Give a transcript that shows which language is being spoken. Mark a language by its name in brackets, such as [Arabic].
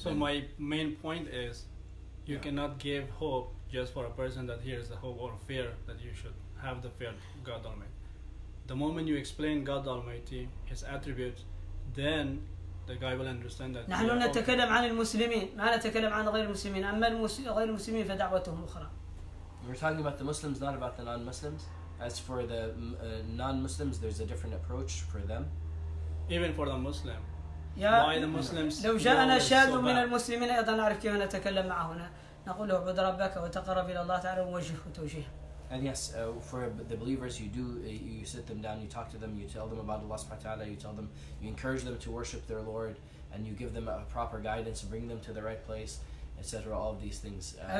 [English] So my main point is, you cannot give hope just for a person that hears the hope or fear that you should have the fear of God Almighty. The moment you explain God Almighty, His attributes, then the guy will understand that. [Arabic] نحن نتكلم عن المسلمين. ما نتكلم عن غير المسلمين. أما غير المسلمين فدعوتهم أخرى. [English] We're talking about the Muslims, not about the non-Muslims. As for the non-Muslims, there's a different approach for them. Even for the Muslim. Why the Muslims? [Arabic] لو جاءنا شاذ من المسلمين أيضا نعرف كيف نتكلم معه هنا. نقول له عبد ربك وتقرب إلى الله تعالى ووجهه توجيه. [English] And yes, for the believers, you do, you sit them down, you talk to them, you tell them about Allah subhanahu wa ta'ala, you tell them, you encourage them to worship their Lord, and you give them a proper guidance, bring them to the right place, etc., all of these things.